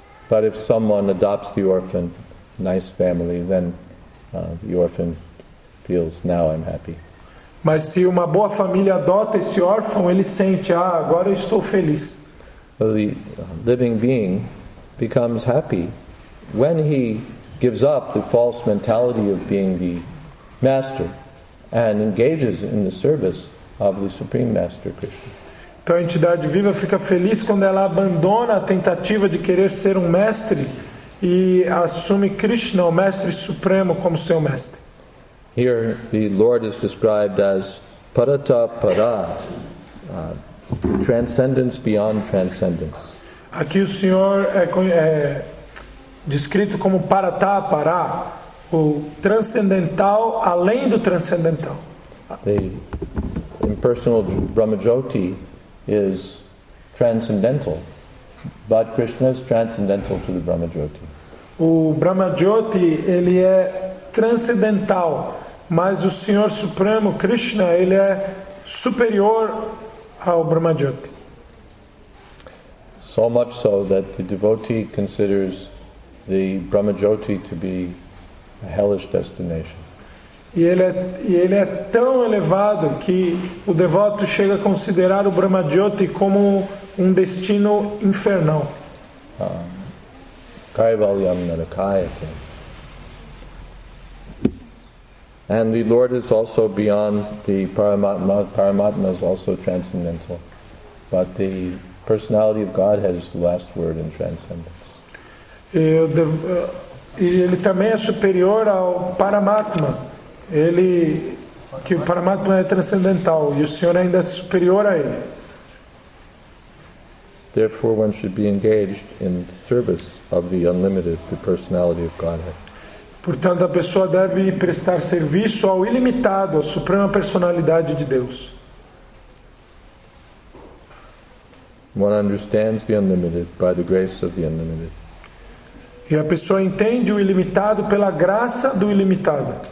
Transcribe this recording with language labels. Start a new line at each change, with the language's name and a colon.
English: But if someone adopts the orphan, nice family, then the orphan feels, now I'm happy.
Portuguese: Mas se uma boa família adota esse órfão, ele sente, agora eu estou feliz.
English: So the living being becomes happy when he gives up the false mentality of being the master and engages in the service of the Supreme Master Krishna.
Portuguese: Então a entidade viva fica feliz quando ela abandona a tentativa de querer ser mestre e assume Krishna, mestre supremo, como seu mestre.
English: Here the Lord is described as parata parat, transcendence beyond transcendence.
Portuguese: Aqui o Senhor é descrito como parata para, o transcendental além do transcendental.
English: The impersonal Brahmajyoti is transcendental, but Krishna is transcendental to the Brahmajyoti.
Portuguese: O Brahmajyoti ele é transcendental. Mas o Senhor Supremo, Krishna, ele é superior ao Brahmajyoti.
English: So much so that the devotee considers the Brahmajyoti to be a hellish destination.
Portuguese: E ele é tão elevado que o devoto chega a considerar o Brahmajyoti como destino infernal.
Sanskrit: Kaivalyam Narakayate.
English: And the Lord is also beyond the Paramatma. Paramatma is also transcendental. But the personality of God has the last word in transcendence.
Portuguese: Ele também é superior ao Paramatma. Ele, que o Paramatma é transcendental, e o Senhor ainda é superior a ele.
English: Therefore, one should be engaged in service of the unlimited, the personality of Godhead.
Portuguese: Portanto, a pessoa deve prestar serviço ao ilimitado, à suprema personalidade de Deus.
English: One understands the unlimited by the grace of the unlimited.
Portuguese: E a pessoa entende o ilimitado pela graça do ilimitado.